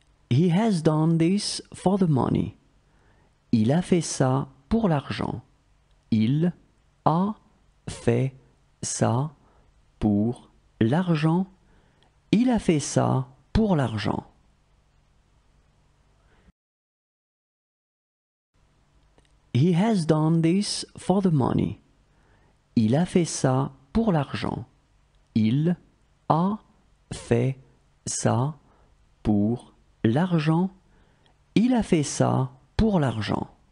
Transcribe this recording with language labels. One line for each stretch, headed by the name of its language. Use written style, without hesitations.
English: He has done this for the money.
French: Il a fait ça pour l'argent. Il a fait ça pour l'argent. Il a fait ça pour l'argent.
English: He has done this for the money.
French: Il a fait ça pour l'argent. Il a fait ça pour l'argent. Il a fait ça pour l'argent.